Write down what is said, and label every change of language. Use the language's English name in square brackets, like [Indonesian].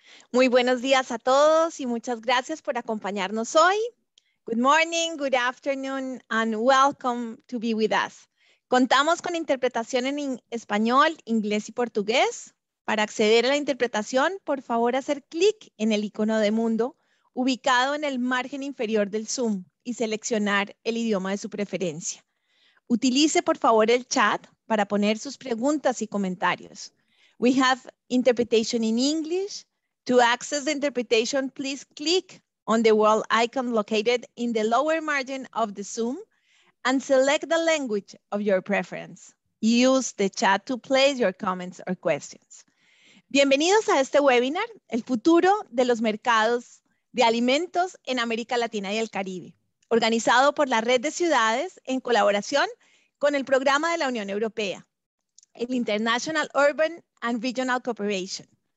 [Spanish] Muy buenos días a todos y muchas gracias por acompañarnos hoy. [English] Good morning, good afternoon, and welcome to be with us. [Spanish] Contamos con interpretación en español, inglés y portugués. Para acceder a la interpretación, por favor, hacer clic en el icono de mundo ubicado en el margen inferior del Zoom y seleccionar el idioma de su preferencia. Utilice, por favor, el chat para poner sus preguntas y comentarios. [English] We have interpretation in English. To access the interpretation, please click on the world icon located in the lower margin of the Zoom and select the language of your preference. Use the chat to place your comments or questions. [Spanish] Bienvenidos a este webinar, el futuro de los mercados de alimentos en América Latina y el Caribe, organizado por la Red de Ciudades en colaboración con el programa de la Unión Europea, el International Urban and Regional Cooperation.